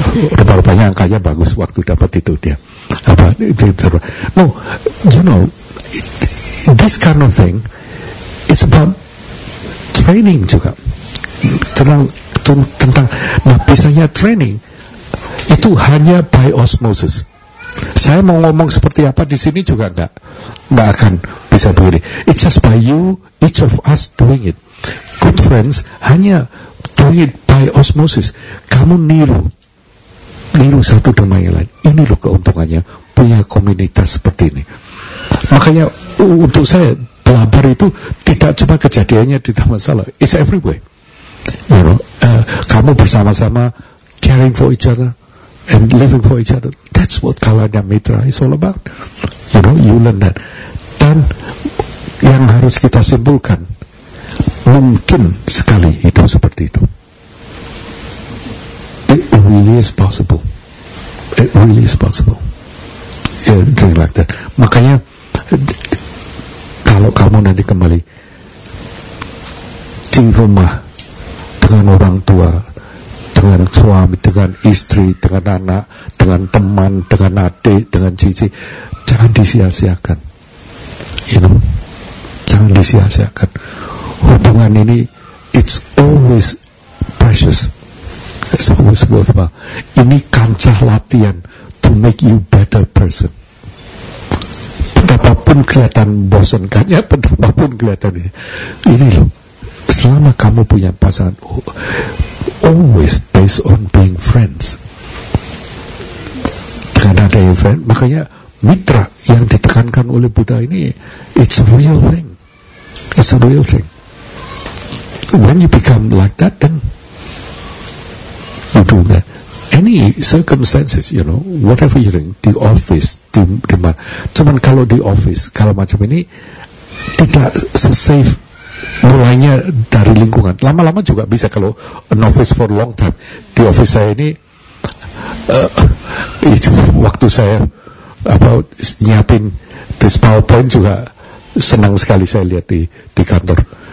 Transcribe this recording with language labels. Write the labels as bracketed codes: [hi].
[id] Rupa-rupanya angkanya bagus waktu dapat itu dia. Apa? [en] No, you know, this kind of thing is about training [id] juga. Tentang nah, biasanya training itu hanya [en] by osmosis. [id] Saya mau ngomong seperti apa di sini juga enggak akan bisa begini. [en] It's just by you, each of us doing it. Good friends, [id] hanya [en] doing it by osmosis. [id] Kamu niru satu dengan yang lain. Ini loh keuntungannya punya komunitas seperti ini. Makanya untuk saya pelabur itu tidak cuma kejadiannya di Taman Salah. [en] It's everywhere. You know, [id] kamu bersama-sama [en] caring for each other and living for each other. That's what Kalada Mitra is all about. You know, you learn that. [id] Dan yang harus kita simpulkan, mungkin sekali hidup seperti itu. [en] It really is possible. It really is possible. Yeah, doing like that. [id] Makanya, kalau kamu nanti kembali di rumah dengan orang tua, dengan suami, dengan istri, dengan anak, dengan teman, dengan adik, dengan cici, jangan disia-siakan. [en] You know, [id] jangan disia-siakan. Hubungan ini, [en] it's always precious. It's always worthwhile. [id] Ini kancah latihan [en] to make you better person. [id] Betapapun kelihatan bosan kan ya, betapapun kelihatan ini loh. Selama kamu punya pasangan, [en] always based on being friends. [id] Dengan ada yang friend, makanya mitra yang ditekankan oleh Buddha ini, [en] it's a real thing. It's a real thing. When you become like that, then you do that. Any circumstances, you know, whatever you're doing, the office, [id] di mana. Cuman kalau di office, kalau macam ini, tidak se-safe. Mulainya dari lingkungan. Lama-lama juga bisa kalau [en] an office for long time. [id] Di office saya ini itu waktu saya about nyiapin [en] this PowerPoint [id] juga senang sekali saya lihat di kantor.